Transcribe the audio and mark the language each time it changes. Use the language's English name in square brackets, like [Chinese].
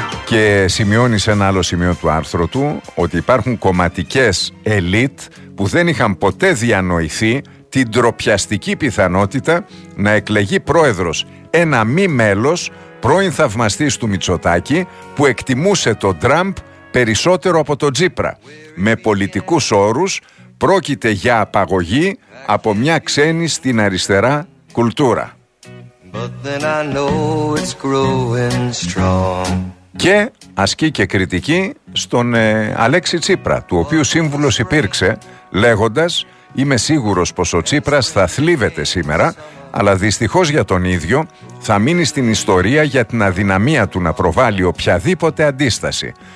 [Greek] Και σημειώνει σε ένα άλλο σημείο του άρθρου του ότι υπάρχουν κομματικές ελίτ που δεν είχαν ποτέ διανοηθεί την ντροπιαστική πιθανότητα να εκλεγεί πρόεδρος ένα μη μέλος πρώην θαυμαστής του Μητσοτάκη που εκτιμούσε τον Τραμπ περισσότερο από τον Τσίπρα. Με πολιτικούς όρους πρόκειται για απαγωγή από μια ξένη στην αριστερά κουλτούρα. [English] But then I know it's growing strong. [Greek] Και ασκεί και κριτική στον Αλέξη Τσίπρα, του οποίου σύμβουλος υπήρξε, λέγοντας «Είμαι σίγουρος πως ο Τσίπρας θα θλίβεται σήμερα, αλλά δυστυχώς για τον ίδιο θα μείνει στην ιστορία για την αδυναμία του να προβάλλει οποιαδήποτε αντίσταση.